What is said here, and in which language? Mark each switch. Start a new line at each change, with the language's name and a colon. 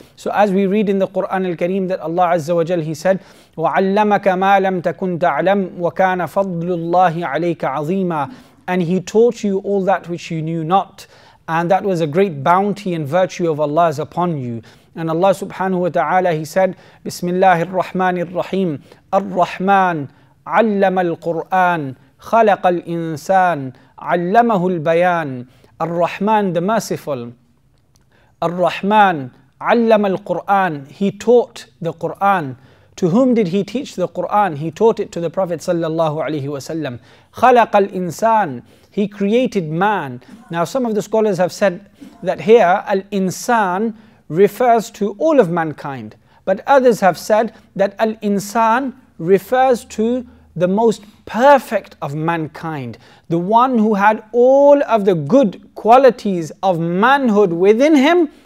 English: So as we read in the Quran al-Kareem that Allah Azza wa Jal, He said,
Arabic: وَعَلَّمَكَ مَا لَمْ تَكُنْ تَعْلَمْ وَكَانَ فَضْلُ اللَّهِ عَلَيْكَ عَظِيمًا.
English: And He taught you all that which you knew not, and that was a great bounty and virtue of Allah's upon you. And Allah subhanahu wa ta'ala, He said,
Arabic: بِسْمِ اللَّهِ الرَّحْمَنِ الرَّحِيمِ. الرَّحْمَنِ عَلَّمَ الْقُرْآنِ خلق الإنسان علمه البيان.
English: الرحمن, the merciful.
Arabic: الرحمن علم القرآن,
English: He taught the Quran. To whom did He teach the Quran? He taught it to the Prophet sallallahu alaihi wasallam.
Arabic: خلق الإنسان,
English: He created man. Now some of the scholars have said that here al-insan refers to all of mankind, but others have said that al-insan refers to the most perfect of mankind, the one who had all of the good qualities of manhood within him.